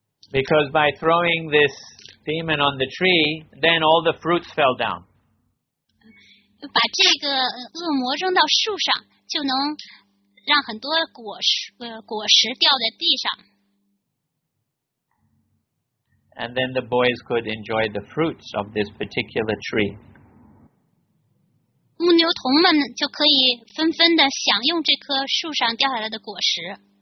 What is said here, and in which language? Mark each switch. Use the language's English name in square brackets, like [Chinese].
[English] Because by throwing this demon on the tree, then all the fruits fell down. [Chinese] 把这个恶魔扔到树上，就能让很多果实掉在地上。 [English] And then the boys could enjoy the fruits of this particular tree. [Chinese] 牧牛童们就可以纷纷地享用这棵树上掉下来的果实。